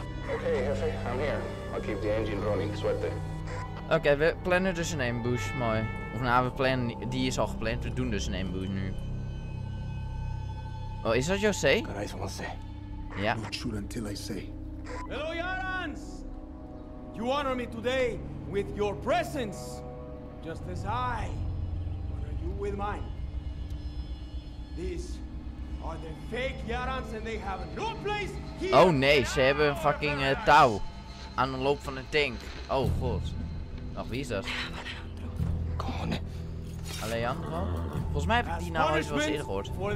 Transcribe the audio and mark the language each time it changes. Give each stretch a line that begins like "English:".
English: Okay, Jefe, I'm here. I'll keep the engine running, Suerte.
Dutch: Oké, okay, we plannen dus een ambush, mooi. Of nou, we plannen, die is al gepland, we doen dus een ambush nu. Oh, is dat José? Ik kan eens wat zeggen. Ja.
English: Don't shoot until I say. Hello, Yarans! You honor me today with your presence, just as I honor you with mine. These are the fake Yarans and they have no place here.
Dutch: Oh nee, ze hebben een fucking touw aan de loop van een tank. Oh god. Nog wie is dat? Kom op. Alejandro? Volgens mij heb ik die naam al eens wel eerder gehoord.